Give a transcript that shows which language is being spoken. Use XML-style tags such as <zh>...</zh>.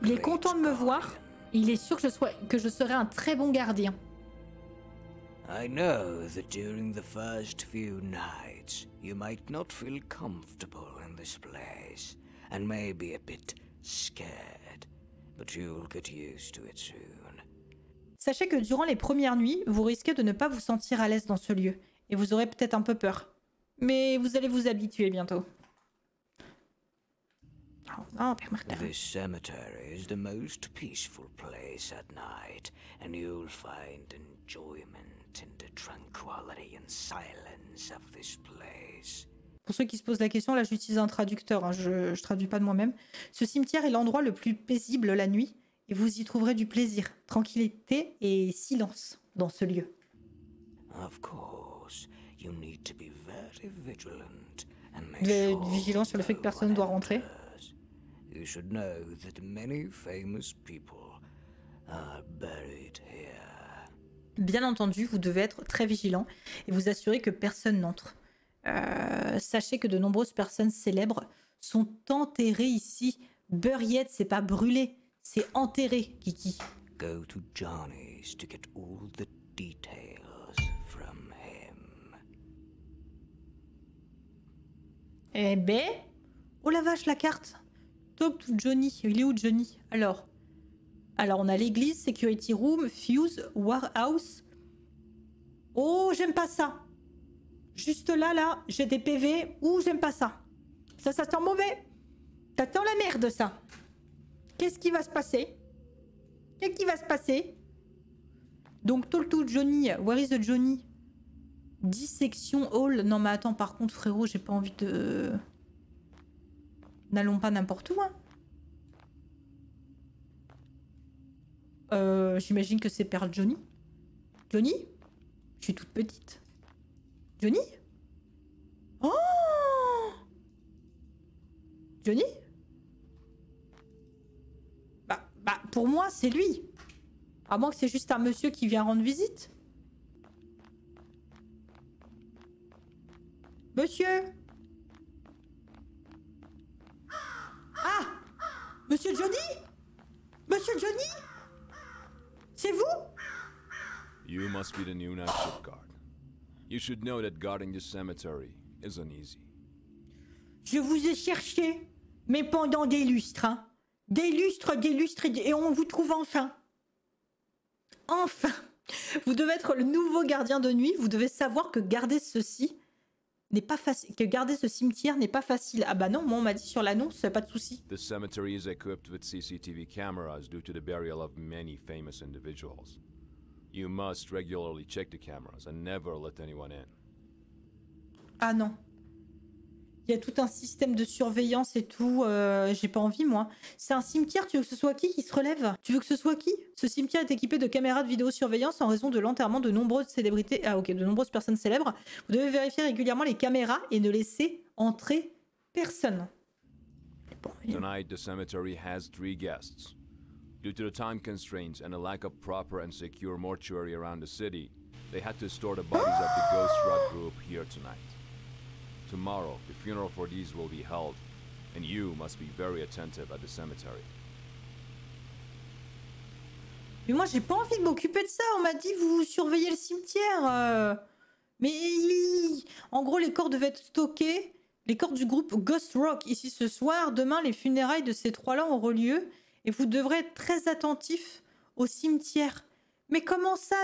<fr>guardian. Il est content de me voir. Il est sûr que je serai un très bon gardien.</fr> <en>I know that during the first few nights, you might not feel comfortable in this place and maybe a bit scared, but you'll get used to it soon.</en> <fr>Sachez que durant les premières nuits, vous risquez de ne pas vous sentir à l'aise dans ce lieu. Et vous aurez peut-être un peu peur. Mais vous allez vous habituer bientôt. Oh, oh Père Martin.</fr> <en>This cemetery is the most peaceful place at night. And you'll find enjoyment in the tranquility and silence of this place.</en> <fr>Pour ceux qui se posent la question, là j'utilise un traducteur, hein, je traduis pas de moi-même. Ce cimetière est l'endroit le plus paisible la nuit. Et vous y trouverez du plaisir, tranquillité et silence dans ce lieu.</fr> <en>Of course, you need to be very vigilant and make sure.</en> <fr>Vous devez être vigilant sur le fait que personne ne doit rentrer.</fr> <en>You should know that many famous people are buried here.</en> <fr>Bien entendu, vous devez être très vigilant et vous assurer que personne n'entre. Sachez que de nombreuses personnes célèbres sont enterrées ici. Buried, c'est pas brûlé. C'est enterré, Kiki.</fr> <en>Go to Johnny's to get all the details from him.</en> <fr>Eh ben, oh la vache, la carte.</fr> <en>Talk to Johnny.</en> <fr>Il est où Johnny? Alors on a l'église,</fr> <en>security room, fuse, warehouse.</en> <fr>Oh, j'aime pas ça. Juste là, j'ai des PV. Ouh, j'aime pas ça. Ça sent mauvais. T'attends la merde, ça. Qu'est-ce qui va se passer? Qu'est-ce qui va se passer?</fr> <en>Donc, Toltou Johnny, where is the Johnny? Dissection hall.</en> <fr>Non, mais attends, par contre, frérot, j'ai pas envie de. N'allons pas n'importe où, hein. J'imagine que c'est Père Johnny. Johnny? Je suis toute petite. Johnny? Oh! Johnny? Bah, pour moi, c'est lui. À moins que c'est juste un monsieur qui vient rendre visite. Monsieur! Ah! Monsieur Johnny? Monsieur Johnny? C'est vous?</fr> <en>You must be the new night shift guard. You should know that guarding the cemetery isn't easy.</en> <fr>Je vous ai cherché, mais pendant des lustres, hein. Des lustres, et on vous trouve enfin. Enfin! Vous devez être le nouveau gardien de nuit, vous devez savoir que garder ceci, n'est pas facile, que garder ce cimetière n'est pas facile. Ah bah non, moi on m'a dit sur l'annonce, pas de souci.</fr> <en>The cemetery is equipped with CCTV cameras due to the burial of many famous individuals. You must regularly check the cameras and never let anyone in.</en> <fr>Ah non. Il y a tout un système de surveillance et tout, j'ai pas envie moi. C'est un cimetière, tu veux que ce soit qui se relève? Tu veux que ce soit qui? Ce cimetière est équipé de caméras de vidéosurveillance en raison de l'enterrement de nombreuses célébrités. Ah ok, de nombreuses personnes célèbres. Vous devez vérifier régulièrement les caméras et ne laisser entrer personne.</fr> <en>Tonight, the cemetery has three guests. Due to the time constraints and a lack of proper and secure mortuary around the city, they had to store the bodies of the Ghost Rock group here tonight. Tomorrow, the funeral for these will be held, and you must be very attentive at the cemetery.</en> <fr>Mais moi, j'ai pas envie de m'occuper de ça. On m'a dit vous surveillez le cimetière. Mais en gros, les corps devaient être stockés. Les corps du groupe Ghost Rock ici ce soir. Demain, les funérailles de ces trois-là auront lieu, et vous devrez être très attentif au cimetière. Mais comment ça?</fr>